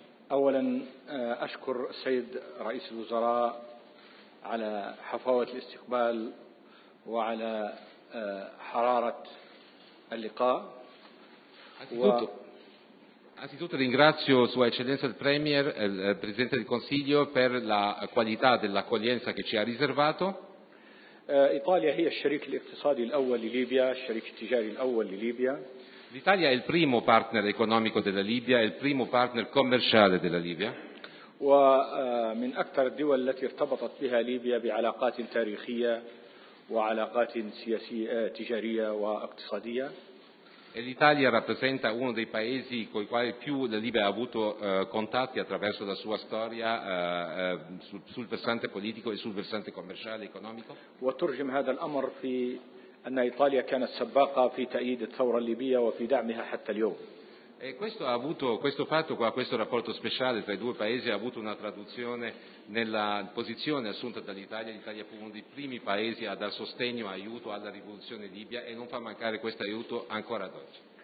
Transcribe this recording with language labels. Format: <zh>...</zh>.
<ar>أولا أشكر السيد رئيس الوزراء على حفاوة الاستقبال وعلى حرارة اللقاء.</ar> <it>Anzitutto ringrazio Sua Eccellenza il Premier, il Presidente del Consiglio, per la qualità dell'accoglienza che ci ha riservato.</it> <ar>إيطاليا هي الشريك الاقتصادي الأول لليبيا، الشريك التجاري الأول لليبيا.</ar> <it>L'Italia è il primo partner economico della Libia, il primo partner commerciale della Libia.</it> <ar>ومن أكثر الدول التي ارتبطت بها ليبيا بعلاقات تاريخية وعلاقات سياسية تجارية واقتصادية.</ar> <it>E l'Italia rappresenta uno dei paesi con i quali più la Libia ha avuto contatti attraverso la sua storia sul versante politico e sul versante commerciale e economico.</it> <ar>وترجم هذا الأمر في أن إيطاليا كانت سباقة في تأييد الثورة الليبية وفي دعمها حتى اليوم.</ar> <it>E questo ha avuto questo fatto qua questo rapporto speciale tra i due paesi ha avuto una traduzione nella posizione assunta dall'Italia. L'Italia fu uno dei primi paesi a dar sostegno, aiuto alla rivoluzione libia e non fa mancare questo aiuto ancora ad oggi.</it>